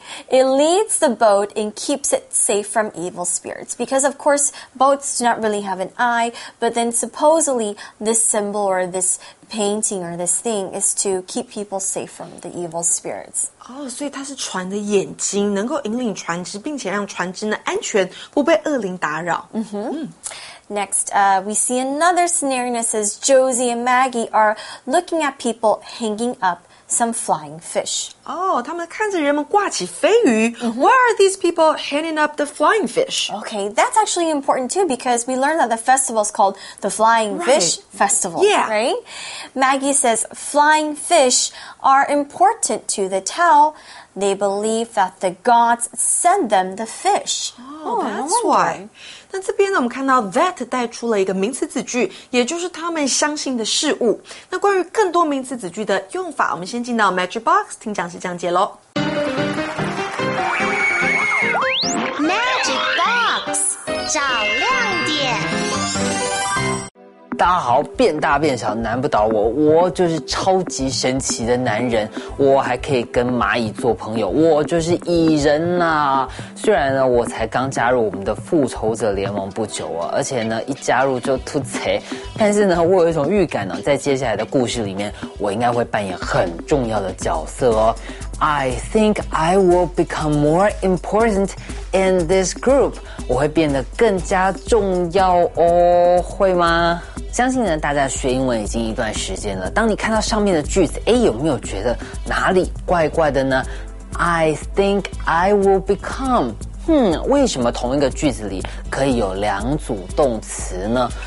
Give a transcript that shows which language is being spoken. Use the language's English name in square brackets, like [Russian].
[English] It leads the boat and keeps it safe from evil spirits. Because, of course, boats do not really have an eye, but then supposedly this symbol or this painting or this thing is to keep people safe from the evil spirits. [Chinese] Oh, 所以它是船的眼睛，能够引领船只，并且让船只呢安全，不被恶灵打扰。 [English] Next, we see another scenario that says Josie and Maggie are looking at people hanging up some flying fish. [Chinese] Oh, 他们看着人们挂起飞鱼。 [English] Where are these people hanging up the flying fish? Okay, that's actually important too, because we learned that the festival is called the Flying Fish Festival. Yeah. Right? Maggie says, flying fish are important to the Tao. They believe that the gods send them the fish. Oh, that's why. [Chinese] 那这边呢，我们看到 that 带出了一个名词子句，也就是他们相信的事物。那关于更多名词子句的用法，我们先进到 Magic Box 听讲师讲解咯。 Magic Box 找亮点。大家好，变大变小难不倒我，我就是超级神奇的男人，我还可以跟蚂蚁做朋友，我就是蚁人啊。虽然呢我才刚加入我们的复仇者联盟不久啊，而且呢一加入就吐贼，但是呢我有一种预感呢，在接下来的故事里面我应该会扮演很重要的角色哦。 [English] I think I will become more important in this group. [Chinese] 我会变得更加重要哦，会吗？相信呢，大家学英文已经一段时间了。当你看到上面的句子，诶，有没有觉得哪里怪怪的呢？ [English] I think I will become. [Chinese] 为什么同一个句子里可以有两组动词呢？